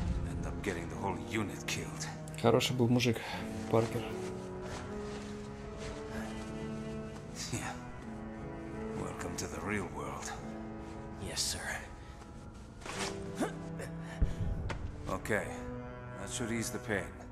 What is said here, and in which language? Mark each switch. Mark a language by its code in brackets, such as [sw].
[en] End up getting the whole unit killed. [ru] Хороший был мужик, Паркер. [en] Yeah. Welcome to the real world. Yes, sir. Okay. That should ease the pain.